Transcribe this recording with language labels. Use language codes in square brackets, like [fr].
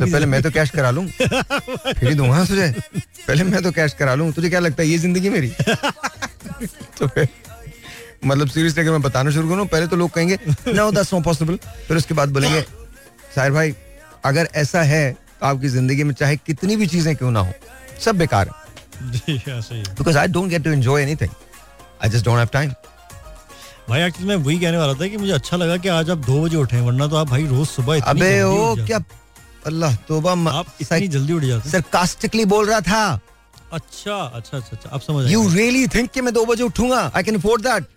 [hi] तो पहले मैं तो कैश करा लूँ फिर ही दूंगा तुझे. पहले मैं तो कैश करा लूँ, तुझे क्या लगता है ये जिंदगी मेरी? तो मतलब सीरियसली अगर मैं बताना शुरू करूँ पहले तो लोग कहेंगे [en] No that's not possible. [hi] फिर उसके बाद बोलेंगे साहिर भाई अगर ऐसा है तो आपकी जिंदगी में चाहे कितनी भी चीजें क्यों ना हो सब बेकार है. [en] Because I don't get to enjoy anything. I just don't have time. [hi] भाई एक्चुअली मैं वही कहने वाला था कि मुझे अच्छा लगा कि आज आप 2 बजे उठे हैं, वरना तो आप भाई रोज सुबह इतनी अबे ओ क्या अल्लाह तौबा आप इतनी जल्दी उठ जाते. सरकास्टिकली बोल रहा था. अच्छा आप समझ. [en] you really think [hi] कि मैं 2 बजे उठूंगा? [en] I can afford that?